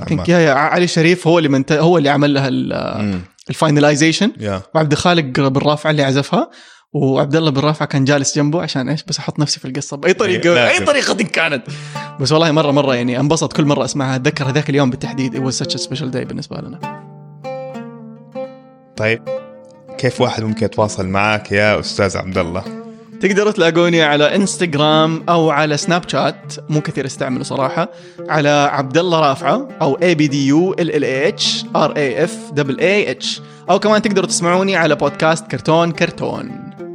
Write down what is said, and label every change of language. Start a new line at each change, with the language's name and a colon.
Arabic: يا علي شريف هو اللي هو اللي عمل لها الفاينلايزيشن وعبد الخالق بن رافع اللي عزفها وعبد الله بن رافع كان جالس جنبه عشان إيش بس أحط نفسي في القصة بأي طريقة أي طريقة كانت. بس والله مرة يعني أنبسط كل مرة أسمعها أتذكر ذاك اليوم بالتحديد.
English: It was such a special day
Arabic: بالنسبة لنا. طيب كيف واحد ممكن يتواصل معك يا أستاذ عبد الله؟ تقدر تلاقوني على إنستغرام أو على سناب شات مو كثير استعمله صراحة على عبد الله رافعة أو ABDULLHRAFAAH أو كمان تقدر تسمعوني على بودكاست كرتون كرتون.